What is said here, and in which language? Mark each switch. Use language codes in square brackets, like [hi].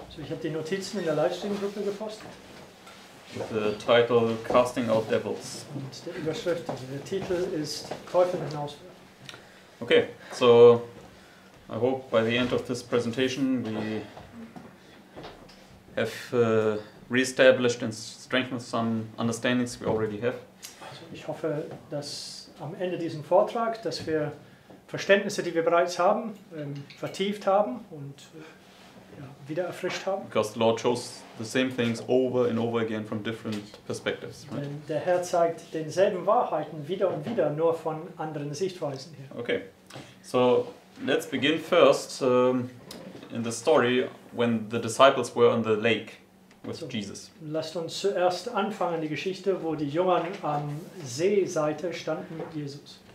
[de] So ich habe die Notizen in der Livestream-Gruppe gepostet. [en] With the title "Casting Out Devils". [de] Und der Überschrift, also der Titel ist "Teufel hinauswerfen". [en] Okay, so I hope by the end of this presentation we have re-established and strengthened some understandings we already have. [de] Also ich hoffe, dass am Ende diesem Vortrag, dass wir Verständnisse, die wir bereits haben, vertieft haben und wieder erfrischt haben. [en] Because the Lord shows the same things over and over again from different perspectives. Right? [de] Denn der Herr zeigt denselben Wahrheiten wieder und wieder, nur von anderen Sichtweisen her. [en] Okay, so let's begin first in the story when the disciples were on the lake with Jesus. [de] Lasst uns zuerst anfangen die Geschichte, wo die Jungen am Seeseite standen mit Jesus.